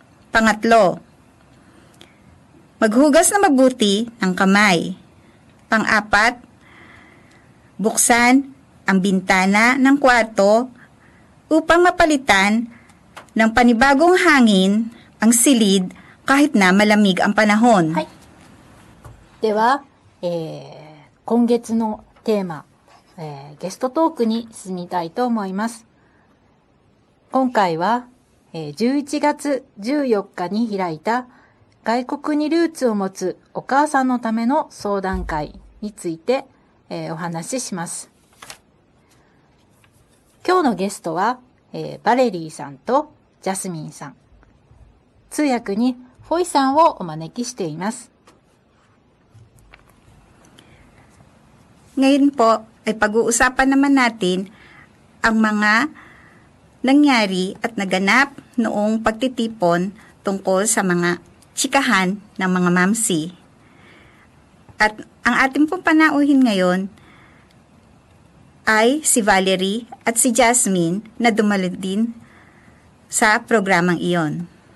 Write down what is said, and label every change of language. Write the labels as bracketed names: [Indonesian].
[Filipino] Pangatlo, maghugas na mabuti ng kamay. Pang-apat, buksan ang bintana ng kwarto upang mapalitan ng panibagong hangin ang silid kahit na malamig ang panahon. Hay. [Japanese] Dewa, kongetsu no tema, ゲストトークに進みたいと思います。今回は、11月14日に開いた外国にルーツを持つお母さんのための相談会について、お話しします。今日のゲストは、バレリーさんとジャスミンさん。通訳にフォイさんをお招きしています。 [Filipino] ngayon po ay pag-uusapan naman natin ang mga nangyari at naganap noong pagtitipon tungkol sa mga tsikahan ng mga mamsi. At ang ating pong panauhin ngayon ay si Valerie at si Jasmine na dumalo din sa programang iyon.